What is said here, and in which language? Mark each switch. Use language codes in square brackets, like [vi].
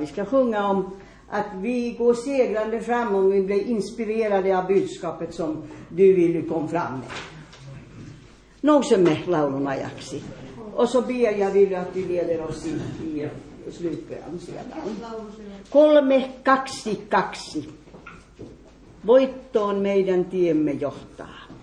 [sv] Vi ska sjunga om att vi går segrande fram och vi blir inspirerade av budskapet som du vill komma fram med. [fi] Nousemme laulun ajaksi. [sv] Och så ber jag vill att du leder oss i slutbön. 3, 2, 2. [fi] Voittoon meidän tiemme johtaa.